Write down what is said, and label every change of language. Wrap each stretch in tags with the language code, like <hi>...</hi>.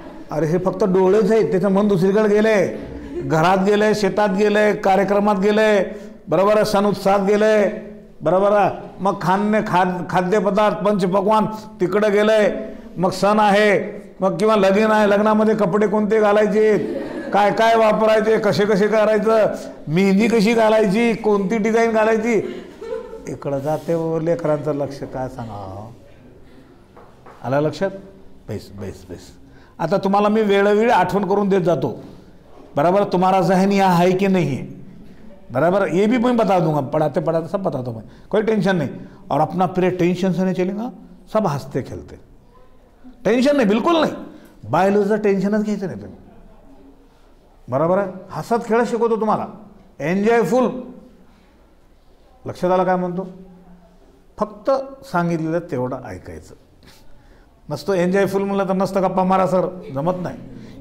<mr>अरे हे फक्त डोळेच आहे, त्याचं मन दुसरीकडे गेलंय, घरात गेलंय, शेतात गेलंय, कार्यक्रमात गेलंय, बरोबर आहे, सण उत्साहात गेलंय, बरोबर आहे, मग खाद्यपदार्थ पंचपक्वान तिकडं गेलंय, मग सण आहे, मग किंवा लग्न आहे, लग्नामध्ये कपडे कोणते घालायचे, काय काय वापरायचे, कसे कसे करायचं, मेहंदी कशी घालायची, कोणती डिझाईन घालायची, इकडं जाते लेकरांचं लक्ष, काय सांगा? आला लक्षात? Base base base. आता तुम्हाला मी वेळोवेळी आठवण करून देत जातो, बरोबर? तुम्हाला जहनी आहे की नाही आहे, बरोबर?</mr> <hi>ये भी मी बता दूंगा, पढाते पढाते सब बताता हूं मैं, कोई टेंशन नहीं। और अपना पूरे टेंशन से नहीं चलेगा, सब हंसते खेलते, टेंशन नहीं, बिल्कुल नहीं।</hi> <mr>बायोलॉजीचं टेंशनच घ्यायचं नाही तुम्ही, बरोबर आहे? हसत खेळ शिकवतो तुम्हाला, एन्जॉयफुल। लक्षात आलं काय म्हणतो? फक्त सांगितलेलं तेवढं ऐकायचं, नसतो एन्जॉयफुल म्हणलं तर नसतं गप्पा मारा सर, जमत नाही।</mr>